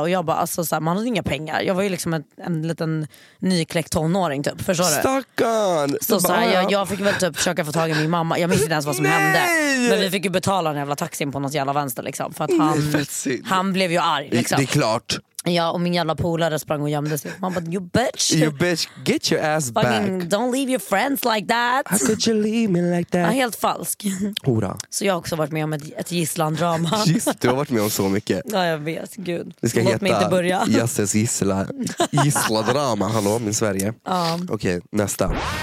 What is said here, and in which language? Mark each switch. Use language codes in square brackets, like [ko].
[sv] Och jag bara, alltså, så här, man hade inga pengar. Jag var ju liksom en liten nykläckt tonåring typ. Förstår du? Stackarn! Så bara, så här, jag fick väl typ försöka få tag i min mamma. Jag minns inte ens vad som hände. Men vi fick ju betala den jävla taxin på något jävla vänster liksom. För att han blev ju arg liksom. Det är klart. Ja, och min jävla polare sprang och gömde sig. Man bara, [en] you bitch, get your ass fucking back. Don't leave your friends like that. How could you leave me like that? [sv] Ja, helt falsk. Hora. Så jag har också varit med om ett gisslandrama. Du har varit med om så mycket. Ja, jag vet, gud. Det ska låt mig inte börja. Jasses gissladrama, hallå, min Sverige. Ja. Okej, nästa.